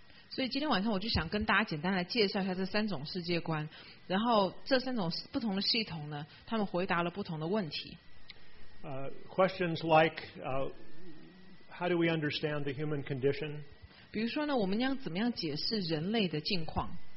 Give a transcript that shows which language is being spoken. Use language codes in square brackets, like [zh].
[zh] 所以今天晚上我就想跟大家简单来介绍一下这三种世界观，然后这三种不同的系统呢，他们回答了不同的问题。 [en] Questions like, how do we understand the human condition? [zh] 比如说呢，我们要怎么样解释人类的境况？